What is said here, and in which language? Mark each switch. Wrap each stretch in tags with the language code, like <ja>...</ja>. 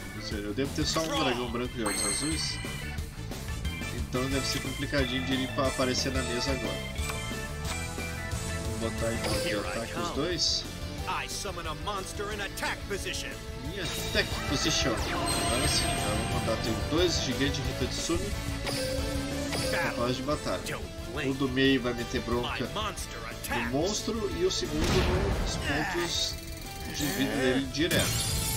<pt>Eu devo ter só um dragão branco de olhos azuis. Então deve ser complicadinho de ele aparecer na mesa agora. Vamos botar então aqui o ataque os dois.</pt> <en>I summon a monster in attack position.</en> <pt>Minha</pt> <en>attack position.</en> <pt>Agora sim, eu vou mandar ter dois gigantes de Hitotsune capaz de batalha. O do meio vai meter bronca no monstro e o segundo nos pontos de vida dele direto.</pt>